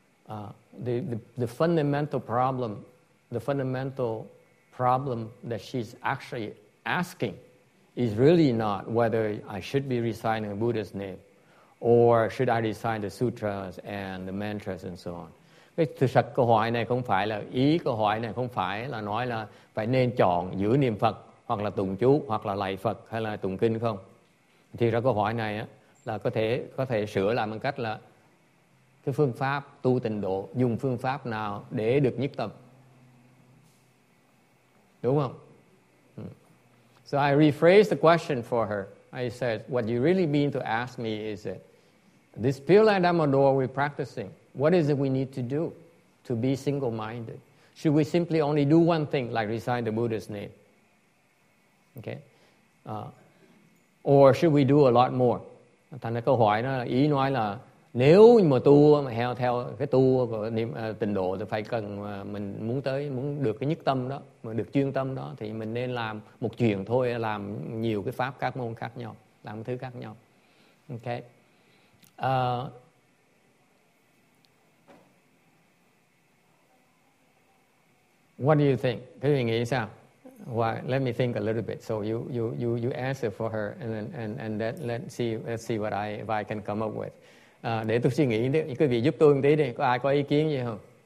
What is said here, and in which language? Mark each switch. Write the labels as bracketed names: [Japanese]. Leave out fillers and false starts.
[English] The fundamental problem that she's actually asking is really not whether I should be reciting a Buddha's name or should I recite the sutras and the mantras and so on. [Vietnamese] Thực sự câu hỏi này không phải là ý câu hỏi này không phải là nói là phải nên chọn giữa niệm Phật hoặc là tụng chú hoặc là lạy Phật hay là tụng kinh không. Thì ra câu hỏi này á, là có thể sửa lại bằng cách là cái phương pháp tu tịnh độ, dùng phương pháp nào để được nhất tâm, đúng không? [English] So I rephrased the question for her. I said, what you really mean to ask me is that this Pure Land Amador we're practicing, what is it we need to do to be single-minded? Should we simply only do one thing, like recite the Buddha's name? Okay? Or should we do a lot more? [Vietnamese] Thành ra câu hỏi đó, ý nói là nếu mà tu mà theo cái tu của niệm tịnh độ thì phải cần mình muốn tới muốn được cái nhất tâm đó, mà được chuyên tâm đó thì mình nên làm một chuyện thôi, làm nhiều cái pháp các môn khác nhau, làm thứ khác nhau. [English] Okay. What do you think? [Vietnamese] Cái gì nghĩ sao? [English] Why? Let me think a little bit. So you answer for her and then let's see what I can come up with. [Vietnamese] Để tôi suy nghĩ đi, quý vị giúp tôi một tí đi, có ai có ý kiến gì không?